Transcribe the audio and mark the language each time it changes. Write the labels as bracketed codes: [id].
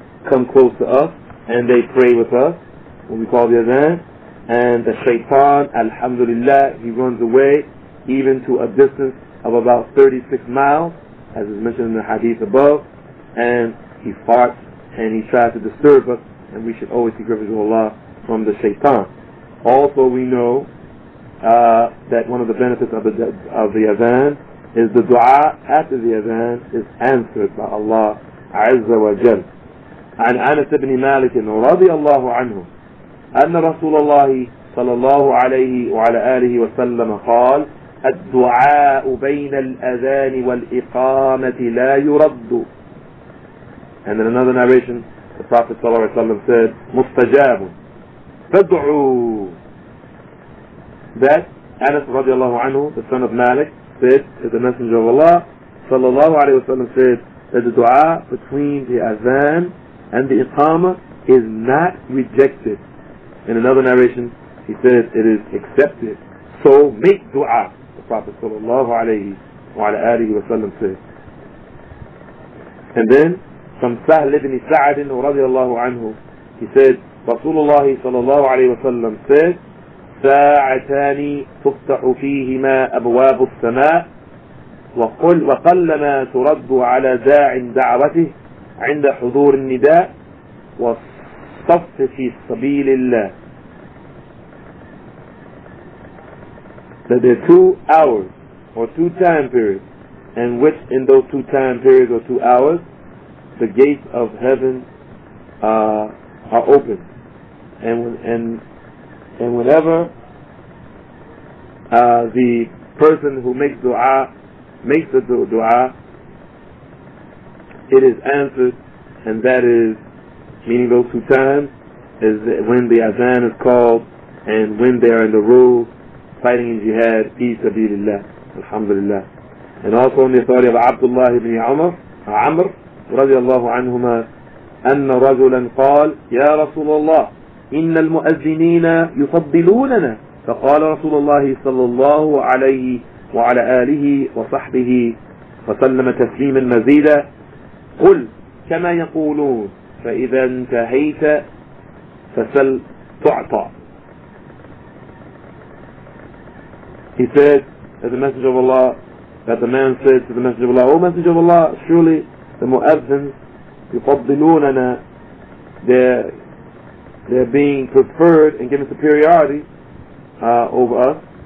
[en] come close to us and they pray with us when we call the adhan, and the shaitan, alhamdulillah, he runs away even to a distance of about 36 miles, as is mentioned in the hadith above, and he farts and he tries to disturb us, and we should always seek refuge to Allah from the shaitan. Also, we know that one of the benefits of the adhan is the dua after the adhan is answered by Allah Azza wa Jal. [ar] عن أنس بن مالك رضي الله عنه أن رسول الله صلى الله عليه وعلى آله وسلم قال الدعاء بين الأذان والإقامة لا يرد. [en] And in another narration, the Prophet صلى الله عليه وسلم said, [ar] مستجاب فادعوا. [en] That Anas [ar] رضي الله عنه, [en] the son of Malik, said to the Messenger of Allah [ar] صلى الله عليه وسلم [en] said that the dua between the Adhan and the Iqama is not rejected. In another narration, he said it is accepted. So make dua, the Prophet [ar] صلى الله عليه وعلى آله وسلم [en] said. And then from Sahl ibn Sa'd [ar] رضي الله عنه, [en] he said [ar] رسول الله صلى الله عليه وسلم [en] said [ar] ساعتان تفتح فيهما أبواب السماء وقل وقلما ترد على داع دعوته عند حضور النداء والصف في سبيل الله. [en] That there are 2 hours or 2 time periods, and which in those 2 time periods or 2 hours the gates of heaven are open, and whenever the person who makes dua makes the dua, it is answered, and that is, meaning those 2 times, is when the azan is called and when they are in the rule fighting in jihad, fi sabilillah, alhamdulillah. And also in the story of Abdullah ibn Amr, [ar] رضي الله عنهما, أن رجلا قال يا رسول الله إن المؤذنين يفضلوننا, فقال رسول الله صلى الله عليه وعلى آله وصحبه وسلم تسليما مزيدا, قل كما يقولون فإذا انتهيت فسل تعطى. [en] He said to the Messenger of Allah, that the man said to the Messenger of Allah, O Messenger of Allah, surely the mu'adhins yufaddilunana, they're being preferred and given superiority over us.